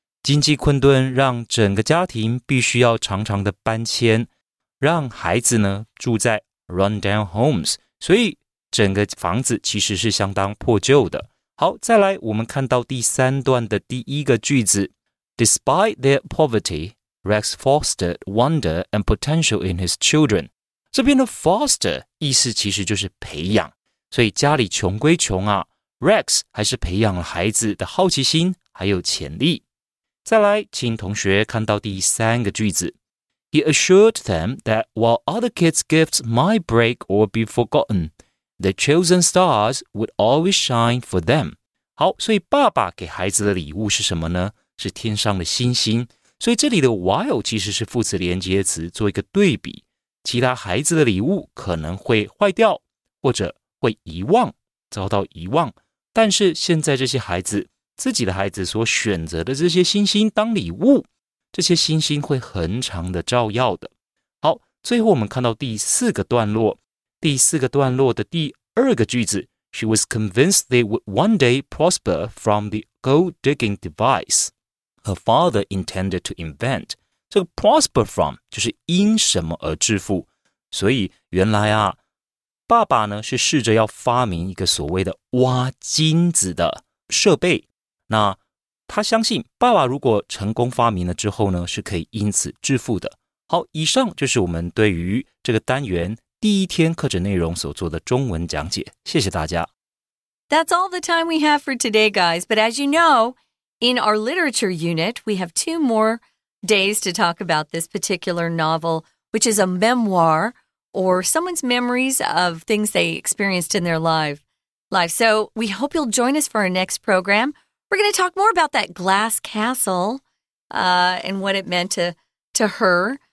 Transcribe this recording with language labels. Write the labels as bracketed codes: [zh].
[zh] 经济困顿让整个家庭必须要常常的搬迁，让孩子呢住在 [en] run down homes, [zh] 所以整个房子其实是相当破旧的。好，再来我们看到第三段的第一个句子。 [en] Despite their poverty, Rex fostered wonder and potential in his children. [zh] 这边的 foster 意思其实就是培养，所以家里穷归穷啊， Rex 还是培养了孩子的好奇心还有潜力。再来，请同学看到第三个句子。 [en] He assured them that while other kids' gifts might break or be forgotten, the chosen stars would always shine for them. [zh] 好，所以爸爸给孩子的礼物是什么呢？是天上的星星。所以这里的 while 其实是副词连接词，做一个对比。其他孩子的礼物可能会坏掉，或者会遗忘，遭到遗忘。但是现在这些孩子自己的孩子所选择的这些星星当礼物，这些星星会恒常的照耀的。好，最后我们看到第四个段落。第四个段落的第二个句子 [en] She was convinced they would one day prosper from the gold digging device her father intended to invent. [zh] 这个 prosper from 就是因什么而致富。所以原来啊，爸爸呢是试着要发明一个所谓的挖金子的设备。那他相信爸爸如果成功发明了之后呢，是可以因此致富的。好，以上就是我们对于这个单元第一天课程内容所做的中文讲解，谢谢大家。 [en] That's all the time we have for today, guys. But as you know, in our literature unit, we have two more days to talk about this particular novel, which is a memoir or someone's memories of things they experienced in their life. So we hope you'll join us for our next program. We're going to talk more about that glass castle, and what it meant to her.